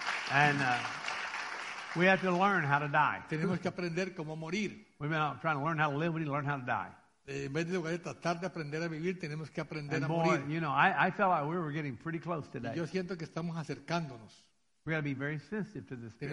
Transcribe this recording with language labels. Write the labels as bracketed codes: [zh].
[en] And we have to learn how to die. [es] Tenemos que aprender cómo morir. [en] We've been trying to learn how to live, we need to learn how to die. [es] En vez de tratar de aprender a vivir, tenemos que aprender [en] and [es] a [en] boy, [es] morir. [en] You know, I felt like we were getting pretty close today. [es] Y yo siento que estamos acercándonos. [en] We gotta be very sensitive to the Spirit.